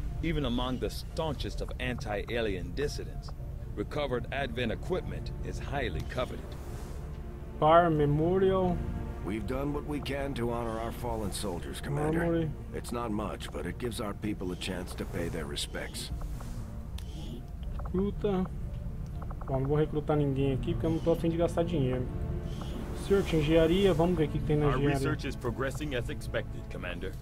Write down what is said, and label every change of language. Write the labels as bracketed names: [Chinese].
[English] Even among the staunchest of anti-alien dissidents, recovered Advent equipment is highly coveted. Bar Memorial. We've done what we can to honor our fallen soldiers, Commander. Memory. It's not much, but it gives our people a chance to pay their respects. [Portuguese] Recruta. Bom, não vou recrutar ninguém aqui porque eu não tô a fim de gastar dinheiro. Search engenharia, vamos ver o que tem na engenharia. [English] Our research is progressing as expected, Commander.